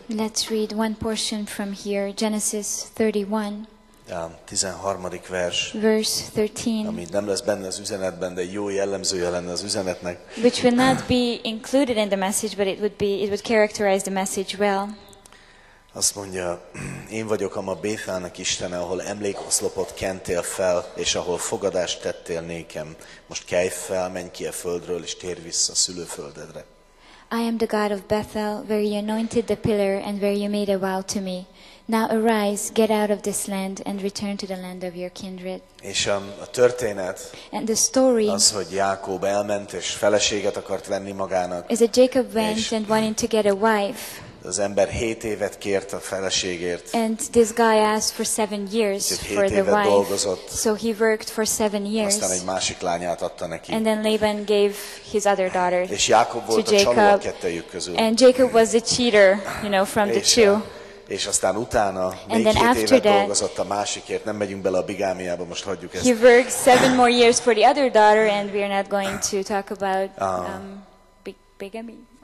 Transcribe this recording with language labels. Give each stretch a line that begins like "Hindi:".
English: Let's read one portion from here, Genesis 31.
Hungarian: 13. vers.
English: Verse 13.
Hungarian: Ami nem lesz benne az üzenetben, de jó jellemzője lenne az üzenetnek.
English: Which will not be included in the message, but it would characterize the message well.
Hungarian: Azt mondja, én vagyok a ma Bethelnek Istene, ahol emlékoszlopot kentél fel, és ahol fogadást tettél nékem. Most kelj fel, menj ki a földről, és térj vissza a szülőföldedre.
English: I am the God of Bethel, where you anointed the pillar, and where you made a vow to me. Now arise, get out of this land, and return to the land of your kindred.
Hungarian: És a történet,
English: and the story,
Hungarian: az, hogy Jákob elment, és feleséget akart venni magának.
English: Is that Jacob went and wanted to get a wife.
Hungarian: Az ember 7 évet kért a feleségért.
English: And this guy asked for 7 years for the wife.
Hungarian: Dolgozott.
English: So he worked for 7 years.
Hungarian: Aztán egy másik lányát adta neki.
English: And then Laban gave his other daughter to Jacob.
Hungarian: És Jákob volt a csaló kettőjük közül.
English: And Jacob was the cheater, you know, from the two.
Hungarian: És aztán utána még 7 évet dolgozott a másikért. Nem megyünk bele a bigámiába, most hagyjuk ezt.
English: He worked 7 more years for the other daughter, and we are not going to talk about bigamy.